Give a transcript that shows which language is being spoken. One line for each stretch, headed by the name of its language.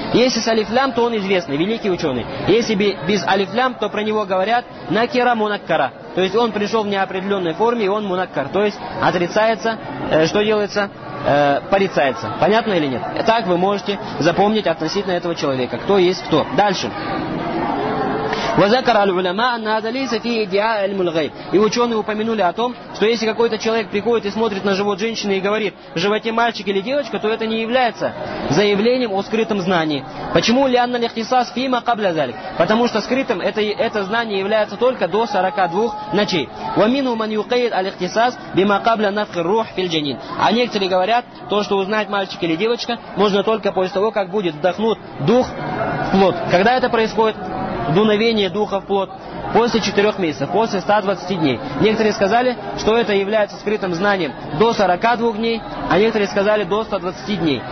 Russian: Если с алифлям, то он известный, великий ученый. Если без алифлям, то про него говорят накира мунаккара. То есть он пришел в неопределенной форме, и он мунаккар. То есть отрицается, что делается? Порицается. Понятно или нет? Так вы можете запомнить относительно этого человека, кто есть кто. Дальше.
Arabic: وذكر العلماء أن هذا ليس فيه إدعاء علم الغيب.
Russian: И ученые упомянули о том, что если какой-то человек приходит и смотрит на живот женщины и говорит, в животе мальчик или девочка, то это не является заявлением о скрытом знании. Почему
Arabic: لأن الاختصاص في ما قبل ذلك?
Russian: Потому что скрытым это знание является только до 42 ночей.
Arabic: ومنهم من يقيد الاختصاص بما قبل نفخ الروح في الجنين.
Russian: А некоторые говорят, то, что узнает мальчик или девочка, можно только после того, как будет вдохнут дух в плод. Когда это происходит? Дуновение духа в плод после 4 месяцев, после 120 дней. Некоторые сказали, что это является скрытым знанием до 42 дней, а некоторые сказали до 120 дней.